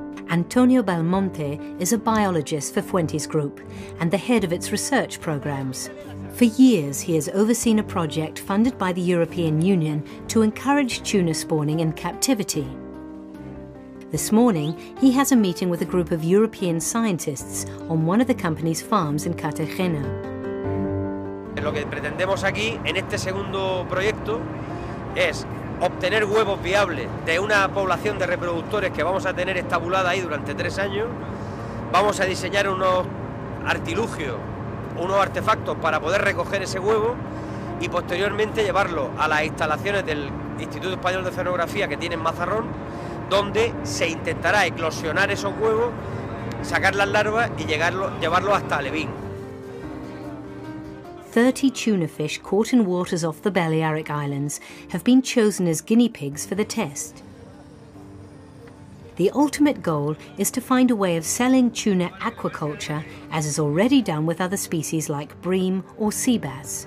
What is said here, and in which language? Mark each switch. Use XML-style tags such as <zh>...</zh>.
<en>Antonio Belmonte is a biologist for Fuentes Group and the head of its research programs. For years, he has overseen a project funded by the European Union to encourage tuna spawning in captivity. This morning, he has a meeting with a group of European scientists on one of the company's farms in Cartagena.</en> <es>Lo que pretendemos aquí, en este segundo proyecto, es obtener huevos viables de una población de reproductores que vamos a tener estabulada ahí durante 3 años. Vamos a diseñar unos artilugios, unos artefactos para poder recoger ese huevo y posteriormente llevarlo a las instalaciones del Instituto Español de Oceanografía que tiene en Mazarrón, donde se intentará eclosionar esos huevos, sacar las larvas y llevarlo hasta Levín.</es> <en>30 tuna fish caught in waters off the Balearic Islands have been chosen as guinea pigs for the test. The ultimate goal is to find a way of selling tuna aquaculture, as is already done with other species like bream or sea bass.</en>